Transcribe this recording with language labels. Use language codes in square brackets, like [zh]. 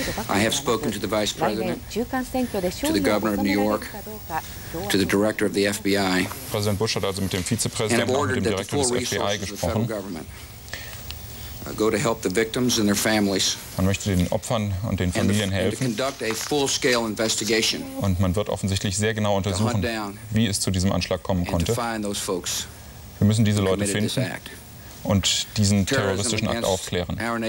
[en] I have spoken to the Vice President, to the Governor of New York, to the Director of the FBI. [de] Präsident Bush hat also mit dem Vizepräsidenten und dem Direktor des FBI gesprochen. [en] Go to help the victims and their families. [de] Man möchte den Opfern und den Familien helfen. [en] And conduct a full-scale investigation. [de] Und man wird offensichtlich sehr genau untersuchen, wie es zu diesem Anschlag kommen konnte. Wir müssen diese Leute finden und diesen terroristischen Akt aufklären.